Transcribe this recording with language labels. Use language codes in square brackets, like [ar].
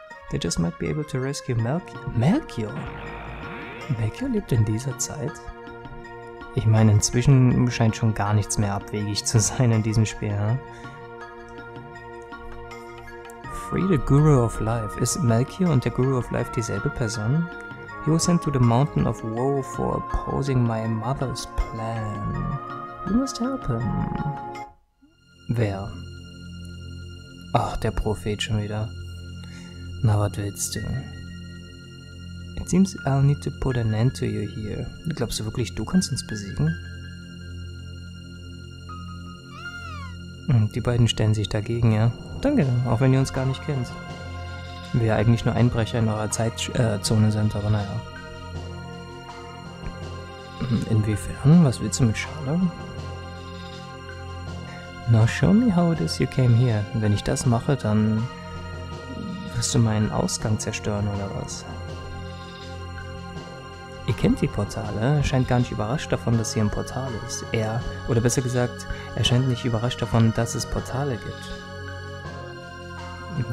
[en] They just might be able to rescue Melchior. [de] Melchior? Melchior lebt in dieser Zeit? Ich meine, inzwischen scheint schon gar nichts mehr abwegig zu sein in diesem Spiel, ne? [en] Free the Guru of Life. [de] Ist Melchior und der Guru of Life dieselbe Person? [en] He was sent to the Mountain of Woe for opposing my mother's plan. You must help him. Wer? [de] Ach, der Prophet schon wieder. Na, was willst du? [en] It seems I'll need to put an end to you here. [de] Glaubst du wirklich, du kannst uns besiegen? Die beiden stellen sich dagegen, ja? Danke, auch wenn ihr uns gar nicht kennt. Wir eigentlich nur Einbrecher in eurer Zeitzone sind, aber naja. Inwiefern? Was willst du mit Schale? [en] Now show me how it is you came here. [de] Wenn ich das mache, dann wirst du meinen Ausgang zerstören, oder was? Ihr kennt die Portale, scheint gar nicht überrascht davon, dass hier ein Portal ist. Er scheint nicht überrascht davon, dass es Portale gibt.